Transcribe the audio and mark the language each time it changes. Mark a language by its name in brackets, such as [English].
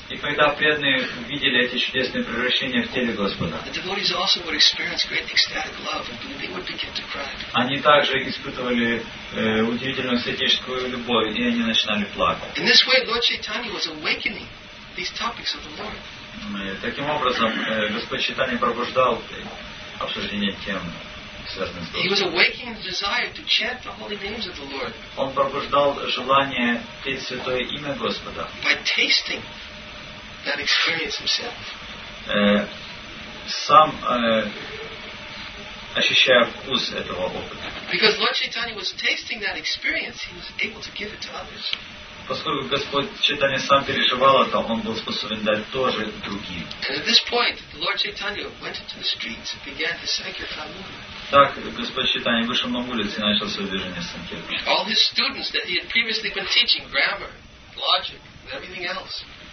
[Russian] И когда преданные видели эти чудесные превращения в теле Господа, [English] the devotees also would experience great ecstatic love, and they would begin to cry. [Russian] Они также испытывали удивительную святейшую любовь, и они начинали плакать. [English] In this way, Lord Chaitanya was awakening these topics of the Lord. [Russian] Таким образом, Господь Чайтанья пробуждал обсуждение темы. [English] He was awakening the desire to chant the holy names of the Lord. [Russian] Он пробуждал желание петь святое имя Господа. [English] By tasting that experience himself. [Russian] Сам ощущая вкус этого опыта. [English] Because Lord Chaitanya was tasting that experience, he was able to give it to others. [Russian] Поскольку Господь Чайтанья сам переживал это, он был способен дать тоже другим. [English] And at this point, the Lord Chaitanya went into the streets and began to sankirtan movement. [Russian] Так Господь Чайтанья вышел на улицу и начал свое движение санкирты. [English] All his students that he had previously been teaching grammar, logic, and everything else.